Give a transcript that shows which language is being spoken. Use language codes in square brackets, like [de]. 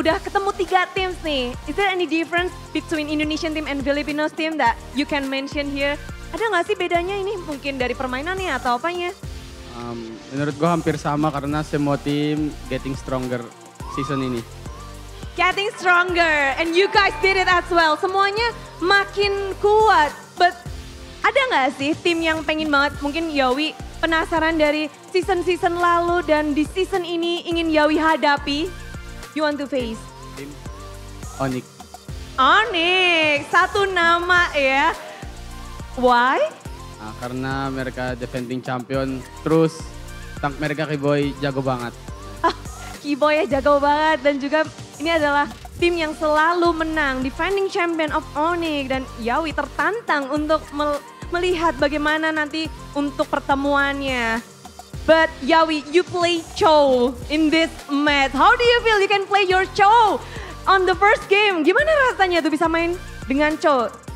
[id] Udah ketemu tiga teams nih. [en] Is there any difference between Indonesian team and Filipino team that you can mention here? [id] Ada gak sih bedanya ini mungkin dari permainannya atau apanya? Menurut gue hampir sama karena semua tim [en] getting stronger [id] season ini. [en] Getting stronger, and you guys did it as well. [id] Semuanya makin kuat, but ada nggak sih tim yang pengen banget? Mungkin Yawi penasaran dari season-season lalu dan di season ini ingin Yawi hadapi. [en] You want to face? [id] Tim Onyx. Onyx, satu nama ya. [en] Why? [id] Nah, karena mereka defending champion, terus tank mereka Kiboy jago banget. Kiboy ya jago banget dan juga ini adalah tim yang selalu menang, defending champion of Onyx. Dan Yawi tertantang untuk melihat bagaimana nanti untuk pertemuannya. [en] But Yawi, you play Cho in this match. How do you feel you can play your Cho on the first game? [id] Gimana rasanya tuh bisa main dengan Cho?